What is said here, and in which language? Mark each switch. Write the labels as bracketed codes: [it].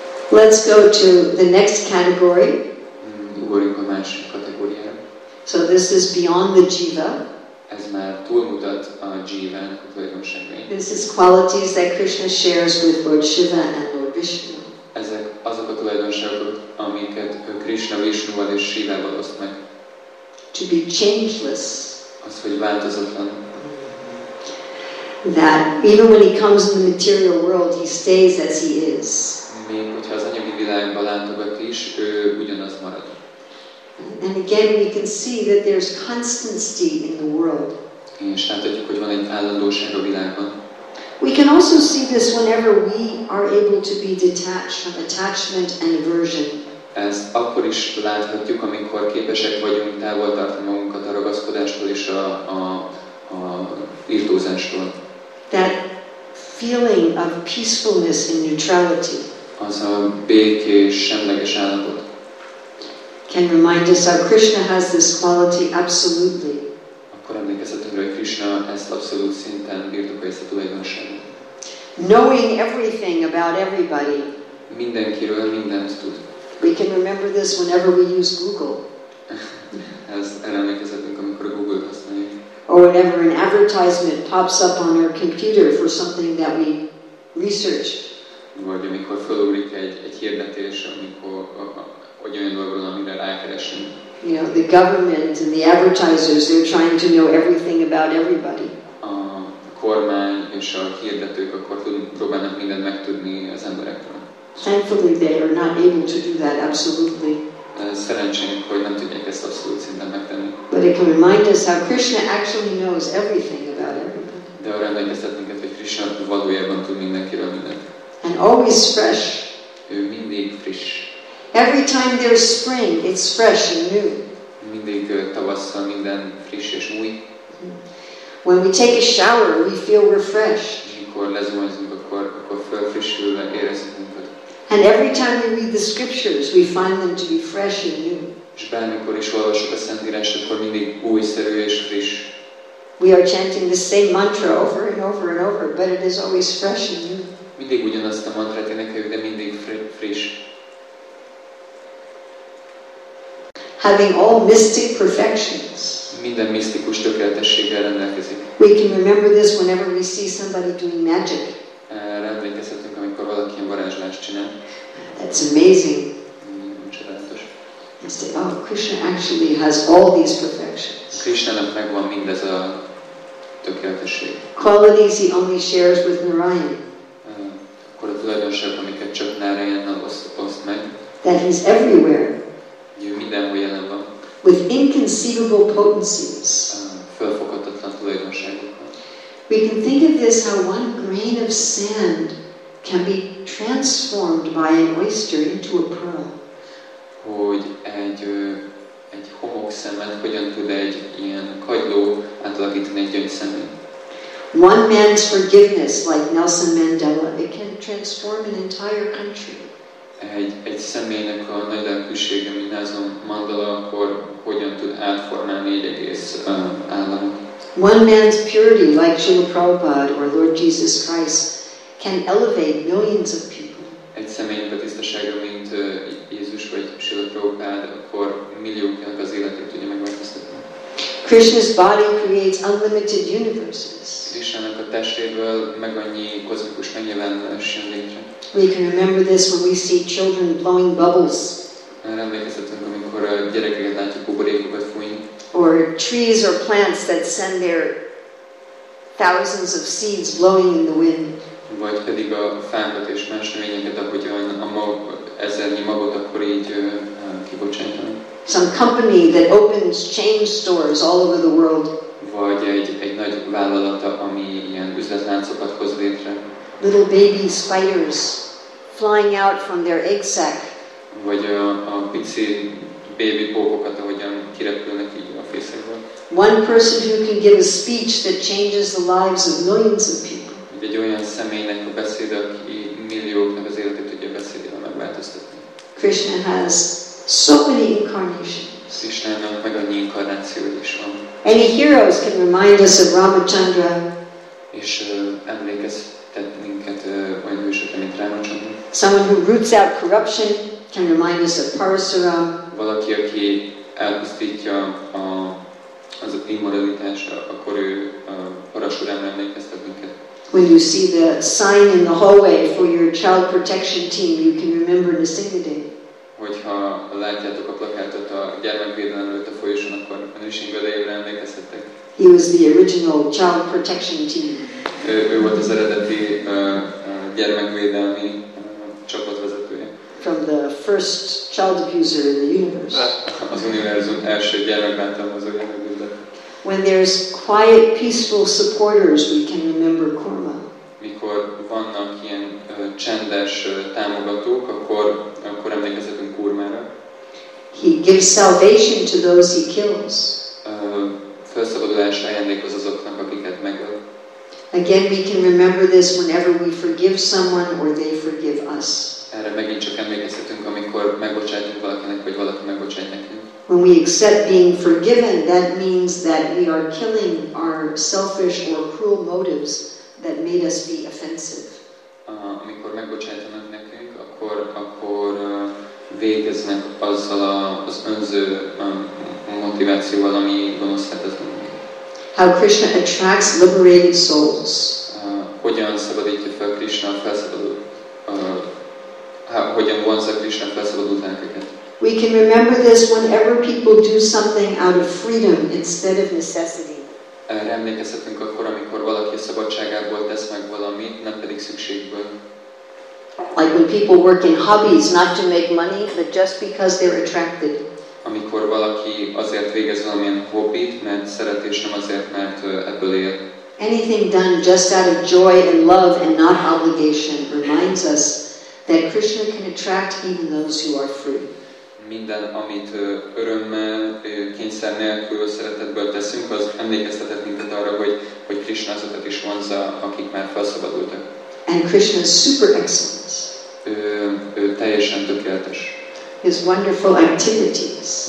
[en] Let's go to the next category. [hu] Ugorjunk a másik kategóriára. [en] So this is beyond the jiva. [hu] Ez már túlmutat a jivan, tulajdonságai. [en] This is qualities that Krishna shares with Lord Shiva and Lord Vishnu. [hu] Ezek azok a tulajdonságok, amiket Krishna Vishnuval és Shivával oszt meg. [en] To be changeless. [hu] Az, hogy változatlan. [en] That even when he comes in the material world, he stays as he is. [hu] Még hogyha az anyagi világba látogat is, ő ugyanaz marad. [en] And again, we can see that there's constancy in the world. [hu] És láthatjuk, hogy van egy állandóság a világban. [en] We can also see this whenever we are able to be detached from attachment and aversion. [hu] Ezt akkor is láthatjuk, amikor képesek vagyunk távol tartani magunkat a ragaszkodástól és a irtózástól. [en] That feeling of peacefulness and neutrality. [hu] Az a békés, semleges állapot. [en] Can remind us how Krishna has this quality absolutely. [hu] Akkor emlékezhetünk, hogy Krishna ezt abszolút szinten birtokolja, ezt a tulajdonságot. [en] Knowing everything about everybody. [hu] Mindenkiről mindent tud. [en] We can remember this whenever we use Google. [hu] Ezt emlékezhetünk, amikor a Google-t használjuk. [en] Or whenever an advertisement pops up on our computer for something that we research. [hu] Vagy amikor felugrik egy hirdetés, amikor hogy olyan dolgokról, amire rákeresünk. [en] You know, the government and the advertisers, they're trying to know everything about everybody. [hu] A kormány és a hirdetők akkor próbálnak mindent megtudni az emberekről. [en] Thankfully, they are not able to do that absolutely. [hu] Szerencsénk, hogy nem tudják ezt abszolút szinten megtenni. [en] But it can remind us how Krishna actually knows everything about everybody. [hu] De arra emlékeztet minket, hogy Krishna valójában tud mindenkiről mindent. [en] And always fresh. [hu] Ő mindig friss. [en] Every time there's spring, it's fresh and new. [hu] Mindig tavasszal minden friss és új. [en] When we take a shower, we feel refreshed. [hu] Mikor lezuhanyzunk, akkor felfrissülnek, érezzük magunkat. [en] And every time we read the scriptures, we find them to be fresh and new. [hu] És bármikor is olvasok a Szentírást, akkor mindig újszerű és friss. [en] We are chanting the same mantra over and over and over, but it is always fresh and new. [hu] Mindig ugyanazt a mantrát énekeljük, de mindig friss. [en] Having all mystic perfections. [hu] Minden misztikus tökéletességgel rendelkezik. [en] We can remember this whenever we see somebody doing magic. [hu] Emlékezhetünk, amikor valaki varázslást csinál. [en] That's amazing. [hu] Csodálatos. [en] And say, oh, Krishna actually has all these perfections. [hu] Krishnának megvan mindez a tökéletesség. [en] Qualities he only shares with Narayan. [hu] Akkor a tulajdonság, amiket csak Narayannal oszt meg. [en] That he's everywhere. [hu] Ő mindenhol jelen van. [en] With inconceivable potencies. [hu] Fölfoghatatlan tulajdonságokkal. [en] We can think of this how one grain of sand can be transformed by an oyster into a pearl. [hu] Hogy egy homokszemet hogyan tud egy ilyen kagyló átalakítani egy gyöngyszemé. [en] One man's forgiveness, like Nelson Mandela, it can transform an entire country. [hu] Egy személynek a nagy lelkűsége, mint Nelson Mandela, akkor hogyan tud átformálni egy egész államot. [en] One man's purity, like Srila Prabhupada or Lord Jesus Christ, can elevate millions of people. [hu] Egy személynek a tisztasága, mint Jézus vagy Srila Prabhupada, akkor millióknak az életét tudja megváltoztatni. [en] Krishna's body creates unlimited universes. [hu] Krishnának a testéből meg annyi kozmikus megjelenés jön létre. [en] We can remember this when we see children blowing bubbles. [hu] Emlékezhetünk, amikor a gyerekeket látjuk buborékokat fújni. [en] Or trees or plants that send their thousands of seeds blowing in the wind. [hu] Vagy pedig a fákat és más növényeket, ahogy a mag, ezernyi magot akkor így kibocsátanak. [en] Some company that opens chain stores all over the world. [hu] Vagy egy nagy vállalata, ami ilyen üzletláncokat hoz létre. [en] Little baby spiders flying out from their egg sac. [hu] Vagy a pici baby pókokat, ahogyan kirepülnek így a fészekből. [en] One person who can give a speech that changes the lives of millions of people. [hu] Egy olyan személynek a beszéd, aki millióknak az életét tudja beszédével megváltoztatni. [en] Krishna has so many incarnations. [hu] Krishnának meg annyi inkarnáció is van. [en] Any heroes can remind us of Ramachandra. [hu] És emlékezhet minket olyan hősöket, mint Ramachandra. [en] Someone who roots out corruption can remind us of Parasura. [hu] Valaki, aki elpusztítja az immoralitást, akkor ő Parashuram emlékeztet minket. [en] When you see the sign in the hallway for your child protection team, you can remember Nisimadev. [hu] Hogyha látjátok a plakátot a gyermekvédelem előtt a folyosón, akkor Nisimadevre emlékeztettek. [en] He was the original child protection team. [hu] Ő volt az eredeti gyermekvédelmi csapatvezetője. [en] From the first child abuser in the universe. [hu] Az univerzum első gyermekbántalmazója. [en] When there's quiet, peaceful supporters, we can remember Kurma. [hu] Mikor vannak ilyen csendes támogatók, akkor emlékezhetünk Kurmára. [en] He gives salvation to those he kills. [hu] Felszabadulás ajándékoz azoknak, akiket megöl. [en] Again, we can remember this whenever we forgive someone or they forgive us. [hu] Erre megint csak emlékezhetünk, amikor megbocsátjuk valakinek, vagy valaki megbocsát nekünk. [en] When we accept being forgiven, that means that we are killing our selfish or cruel motives that made us be offensive. [hu] Amikor megbocsátanak nekünk, akkor végeznek azzal az önző motivációval, ami gonoszát tettünk. [en] How Krishna attracts liberated souls. [hu] Hogyan szabadítja fel Krishna felszabadult? Hogyan vonza Krishna felszabadult embereket? [en] We can remember this whenever people do something out of freedom instead of necessity. [hu] Emlékezhetünk akkor, amikor valaki szabadságából tesz meg valamit, nem pedig szükségből. [en] Like when people work in hobbies, not to make money, but just because they're attracted. [hu] Amikor valaki azért végez valamilyen hobbit, mert szeret, és nem azért, mert ebből él. [en] Anything done just out of joy and love and not obligation reminds us that Krishna can attract even those who are free. [hu] Minden, amit örömmel, kényszer nélkül, szeretetből teszünk, az emlékeztetett minket arra, hogy Krishna azokat is vonza, akik már felszabadultak. [en] And Krishna's super excellence. [hu] Ő teljesen tökéletes. [en] His wonderful activities.